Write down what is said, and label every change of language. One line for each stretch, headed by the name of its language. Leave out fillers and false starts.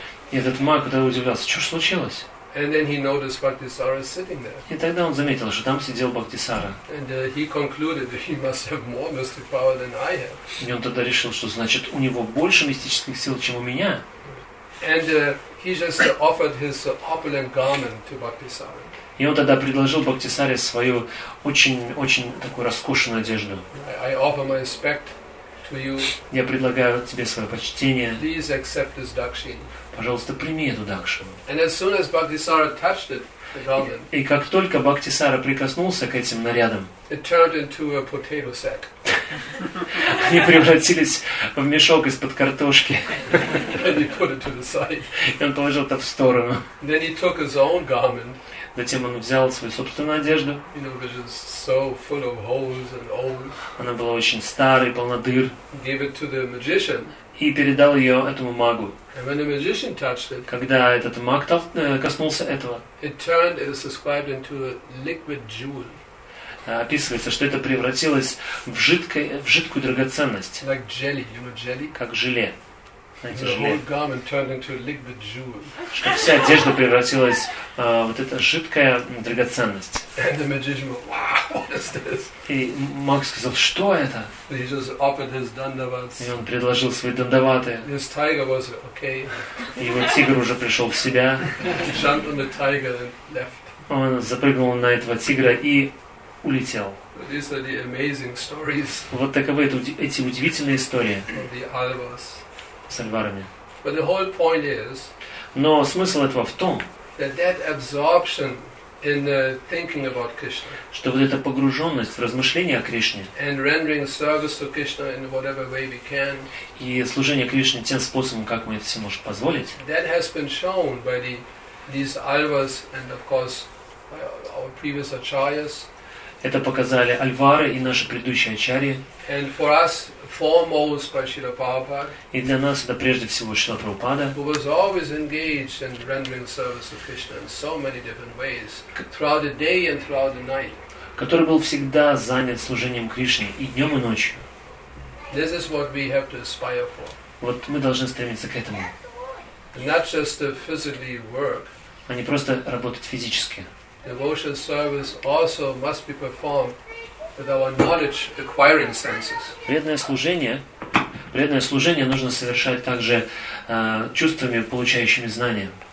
Russian: И этот маг тогда удивлялся: что ж случилось?
English: And then he noticed Bhaktisara sitting there.
Russian: И тогда он заметил, что там сидел Бхактисара.
English: And he concluded that he must have more mystic power than I have.
Russian: И он тогда решил, что значит у него больше мистических сил, чем у меня.
English: And he just offered his opulent garment to Bhaktisara.
Russian: И он тогда предложил Бхактисаре свою очень-очень такую роскошную одежду.
English: I offer my respect to you.
Russian: Я предлагаю тебе свое почтение.
English: Please accept this dakshin.
Russian: Пожалуйста, прими эту дакшину.
English: And as soon as Bhaktisara touched it, the garment,
Russian: и как только Бхактисара прикоснулся к этим нарядам,
English: it turned into a potato sack.
Russian: Они превратились в мешок из-под картошки.
English: And he put it to the side.
Russian: И он положил это в сторону.
English: Then he took his own garment.
Russian: Затем он взял свою собственную одежду.
English: You know, which is so full of holes and old.
Russian: Она была очень старой, полна дыр.
English: Gave it to the magician.
Russian: И передал ее этому магу.
English: And when the magician touched it,
Russian: когда этот маг коснулся этого,
English: it turned, it was described into a liquid jewel.
Russian: Описывается, что это превратилось в жидкую драгоценность.
English: Like jelly, you know jelly?
Russian: Как желе.
English: The whole garment turned into a liquid jewel.
Russian: Что вся одежда превратилась вот эта жидкая драгоценность.
English: And the magician went, wow, what is this?
Russian: И маг сказал: что это?
English: He just offered his dandavats.
Russian: И он предложил свои дандаваты.
English: His tiger was okay.
Russian: И его тигр уже пришел в себя.
English: He jumped on the tiger and left.
Russian: Он запрыгнул на этого тигра и улетел.
English: These are the amazing stories.
Russian: Вот таковы эти удивительные истории.
English: The alvas.
Russian: С альварами.
English: But the whole point is,
Russian: но смысл этого в том,
English: that absorption in thinking about Krishna,
Russian: что вот эта погруженность в размышления о Кришне
English: and rendering service to Krishna in whatever way we can,
Russian: и служение Кришне тем способом, как мы это себе можем позволить,
English: that has been shown by these alvas and of course by our previous acharyas.
Russian: Это показали альвары и наши предыдущие ачарьи.
English: And for us, foremost by Srila Prabhupada.
Russian: И для нас это прежде всего Шрила Прабхупада.
English: Who was always engaged in rendering service to Krishna in so many different ways throughout the day and throughout the night.
Russian: Который был всегда занят служением Кришне и днем и ночью.
English: This is what we have to aspire for.
Russian: Вот мы должны стремиться к этому.
English: Not just to physically work.
Russian: А не просто работать физически.
English: Devotional service also must be performed with our knowledge acquiring senses.
Russian: Преданное служение нужно совершать также чувствами, получающими знания.